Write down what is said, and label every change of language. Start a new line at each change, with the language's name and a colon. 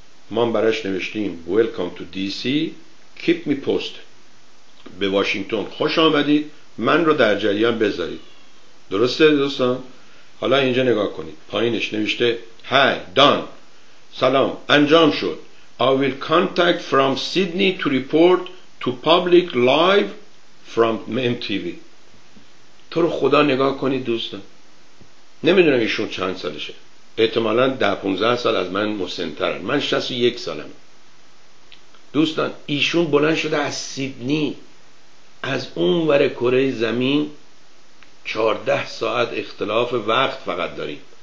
Persian: ما براش نوشتیم
English: Welcome to DC، Keep me posted،
Persian: به واشنگتن خوش آمدید، من رو در جریان بذارید. درسته دوستان؟ حالا اینجا نگاه کنید پایینش نوشته Hi done، سلام انجام شد.
English: I will contact from Sydney to report to public live from MTV.
Persian: تو رو خدا نگاه کنید دوستان، نمیدونم ایشون چند سالشه، احتمالاً 10-15 سال از من مسن‌ترن، من 61 سالم. دوستان ایشون بلند شده از سیدنی، از اون ور کره زمین 14 ساعت اختلاف وقت فقط داریم.